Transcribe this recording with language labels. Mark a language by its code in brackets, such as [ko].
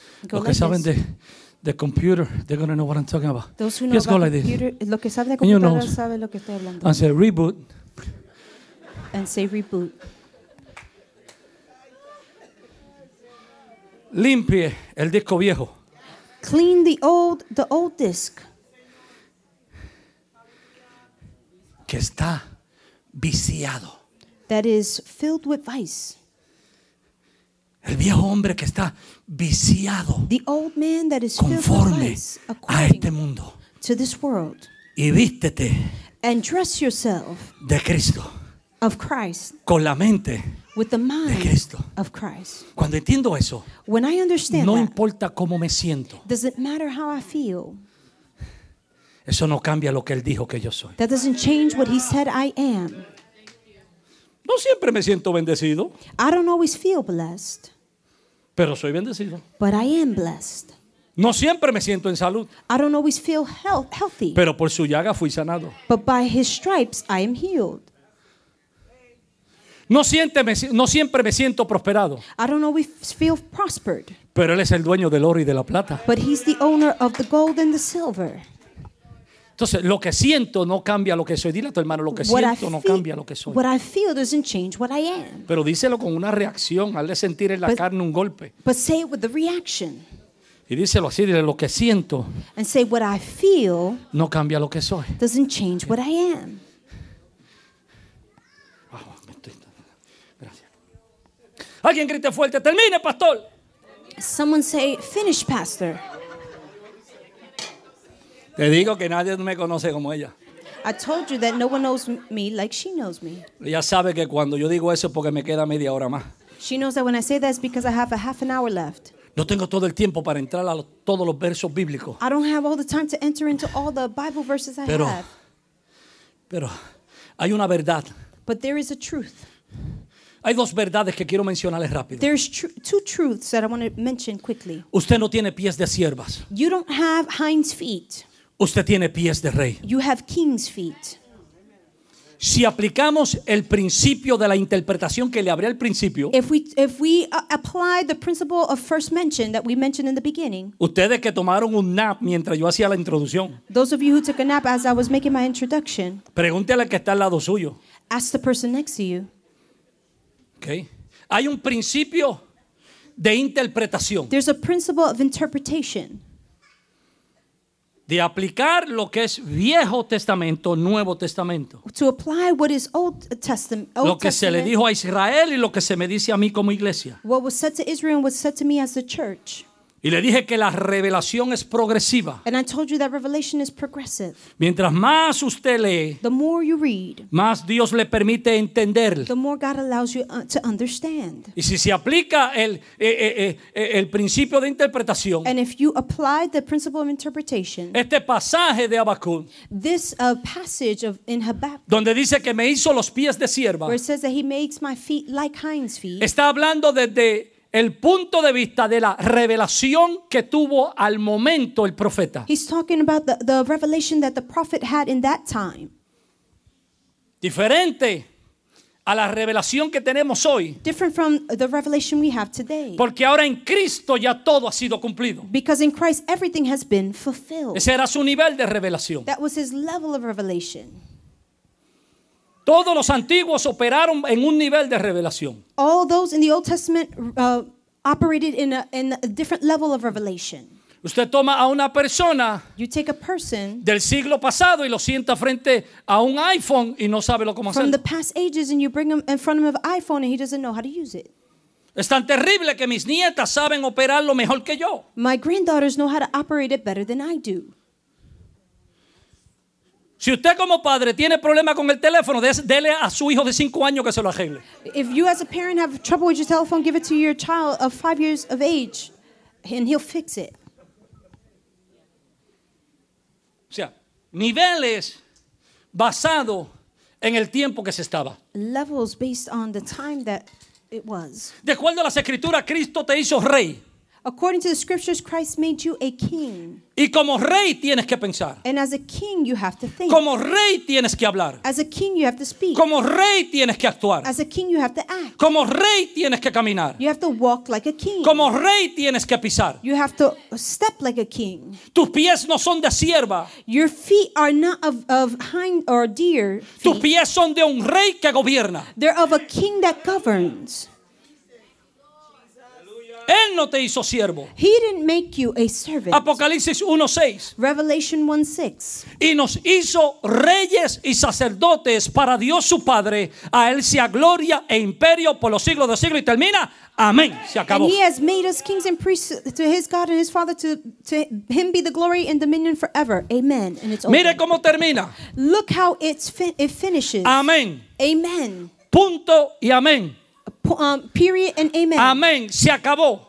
[es] Los que saben de [en] computer, they're gonna know what I'm talking about. Those who know about like [es] computer, lo que sabe de computador sabe lo que estoy hablando. [en] And say reboot. And say reboot. [es] Limpie el disco viejo. [en] Clean the old disc. [es] Que está viciado. [en] That is filled with vice. [es] El viejo hombre que está viciado, [en] the old man that is [es] conforme [en] filled with vice, [es] a este mundo, [en] to this world, [es] y vístete, [en] and dress yourself, [es] de Cristo, [en] of Christ, [es] con la mente, [en] with the mind, [es] de Cristo, [en] of Christ. [es] Cuando entiendo eso, [en] when I understand [es] no [en] that, [es] importa cómo me siento, [en] does it matter how I feel? [es] Eso no cambia lo que él dijo que yo soy. [en] That doesn't change what he said I am. [es] No siempre me siento bendecido. [en] I don't always feel blessed. [es] Pero soy bendecido. [en] But I am blessed. [es] No siempre me siento en salud. [en] I don't always feel healthy. [es] Pero por su llaga fui sanado. [en] But by his stripes I am healed. [es] No siempre me siento prosperado. [en] I don't always feel prospered. [es] Pero él es el dueño del oro y de la plata. [en] But he's the owner of the gold and the silver. [es] Entonces, lo que siento no cambia lo que soy. Dile a tu hermano, lo que siento no cambia lo que soy. [en] What I feel doesn't change what I am. [es] Pero díselo con una reacción. Hazle sentir en la carne un golpe. [en] But say it with a reaction. [es] Y díselo así, dile lo que siento. [en] And say what I feel [es] no cambia lo que soy. [en] Doesn't change what I am. [es] Wow, me estoy... Gracias. Alguien grite fuerte, termine, pastor. [en] Someone say, finish, pastor. [es] Te digo que nadie me conoce como ella. [en] I told you that no one knows me like she knows me. [es] Ella sabe que cuando yo digo eso es porque me queda media hora más. [en] She knows that when I say that it's because I have a half an hour left. [es] No tengo todo el tiempo para entrar a todos los versos bíblicos. [en] I don't have all the time to enter into all the Bible verses I have. [es] Pero hay una verdad. [en] But there is a truth. [es] Hay dos verdades que quiero mencionarles rápido. [en] There's two truths that I want to mention quickly. [es] Usted no tiene pies de siervas. [en] You don't have hind's feet. [es] Usted tiene pies de rey. [en] You have king's feet. [es] Si aplicamos el principio de la interpretación que le abrí al principio, [en] if we apply the principle of first mention that we mentioned in the beginning, [es] ustedes que tomaron un nap mientras yo hacía la introducción, [en] those of you who took a nap as I was making my introduction, [es] pregúntele al que está al lado suyo. [en] Ask the person next to you. [es] Okay. Hay un principio de interpretación. [en] There's a principle of interpretation. [es] De aplicar lo que es Viejo Testamento, Nuevo Testamento. [en] To apply what is Old Testament. [es] Lo que se le dijo a Israel y lo que se me dice a mí como iglesia. [en] What was said to Israel and what was said to me as the church. [es] Y le dije que la revelación es progresiva. [en] And I told you that revelation is progressive. [es] Mientras más usted lee, [en] the more you read, [es] más Dios le permite entender, [en] the more God allows you to understand. [es] Y si se aplica el principio de interpretación, [en] and if you apply the principle of interpretation, [es] este pasaje de Habacuc, [en] this passage of in Habakkuk, [es] donde dice que me hizo los pies de sierva, [en] where it says that he makes my feet like hind's feet, [es] está hablando desde el punto de vista de la revelación que tuvo al momento el profeta. [en] He's talking about the revelation that the prophet had in that time. [es] Diferente a la revelación que tenemos hoy. [en] Different from the revelation we have today. [es] Porque ahora en Cristo ya todo ha sido cumplido. [en] Because in Christ everything has been fulfilled. [es] Ese era su nivel de revelación. [en] That was his level of revelation. [es] Todos los antiguos operaron en un nivel de revelación. [en] All those in the Old Testament operated in a different level of revelation. [es] Usted toma a una persona, [en] you take a person [es] del siglo pasado y lo sienta frente a un iPhone y no sabe lo cómo hacerlo. [en] From the past ages and you bring him in front of an iPhone and he doesn't know how to use it. [es] Es tan terrible que mis nietas saben operarlo mejor que yo. [en] My granddaughters know how to operate it better than I do. [es] Si usted como padre tiene problema con el teléfono, déle a su hijo de 5 años que se lo arregle. [en] If you as a parent have trouble with your telephone, give it to your child of 5 years of age and he'll fix it. [es] O sea, niveles basado en el tiempo que se estaba. [en] Levels based on the time that it was. [es] De acuerdo a las escrituras, Cristo te hizo rey. [en] According to the scriptures, Christ made you a king. [es] Y como rey tienes que pensar. [en] And as a king, you have to think. [es] Como rey tienes que hablar. [en] As a king, you have to speak. [es] Como rey tienes que actuar. [en] As a king, you have to act. [es] Como rey tienes que caminar. [en] You have to walk like a king. [es] Como rey tienes que pisar. [en] You have to step like a king. [es] Tus pies no son de sierva. [en] Your feet are not of hind or deer feet. [es] Tus pies son de un rey que gobierna. [en] They're of a king that governs. [es] Él no te hizo siervo. [en] He didn't make you a servant. [es] Apocalipsis 1:6. [en] Revelation 1:6. [es] Y nos hizo reyes y sacerdotes para Dios su Padre. A él sea gloria e imperio por los siglos de siglos. Y termina. Amén. Se acabó. [en] And he has made us kings and priests to his God and his Father. To him be the glory and dominion forever. Amen. And it's over. [es] Mire cómo termina. [en] Look how it finishes. [es] Amén. [en] Amen. [es] Punto y amén. [en] Period and amen. [es] Amén. Se acabó.